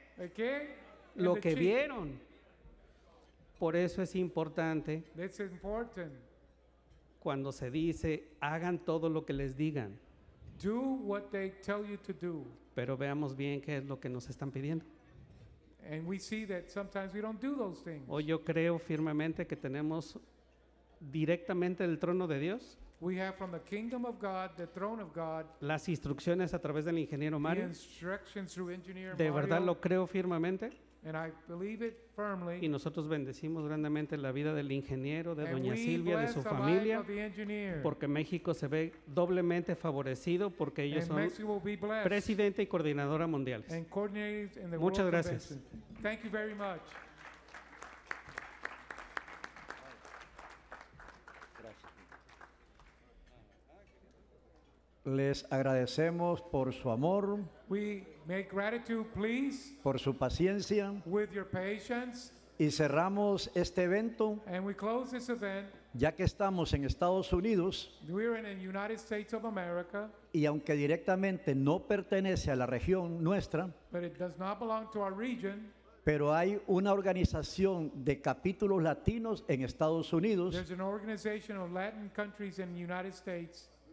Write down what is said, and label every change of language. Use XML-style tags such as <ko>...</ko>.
<es>¿El qué? Lo que vieron. Por eso es importante.</es> <en>That's important.</en> <es>Cuando se dice, hagan todo lo que les digan.</es> <en>Do what they tell you to do.</en> <es>Pero veamos bien qué es lo que nos están pidiendo.</es> <en>And we see that sometimes we don't do those things.</en> <es>Hoy yo creo firmemente que tenemos directamente del trono de Dios.</es> <en>We have from the kingdom of God, the throne of God.</en> <es>Las instrucciones a través del ingeniero Mario.</es> <en>The instructions through engineer</en> <es>Mario. De verdad lo creo firmemente.</es> <en>And I believe it firmly.</en> <es>Y nosotros bendecimos grandemente la vida del ingeniero, de doña Silvia, de su familia, porque México se ve doblemente favorecido porque ellos son presidente y coordinadora mundial. Muchas gracias.</es> <en>Thank you very much.</en> <es>Les agradecemos por su amor.</es> <en>We make gratitude, please.</en> <es>Por su paciencia.</es> <en>With your patience.</en> <es>Y cerramos este evento.</es> <en>And we close this event.</en> <es>Ya que estamos en Estados Unidos.</es> <en>We're in the United States of America.</en> <es>Y aunque directamente no pertenece a la región nuestra.</es> <en>But it does not belong to our region.</en> <es>Pero hay una organización de capítulos latinos en Estados Unidos.</es> <en>There's an organization of Latin countries in the United States.</en>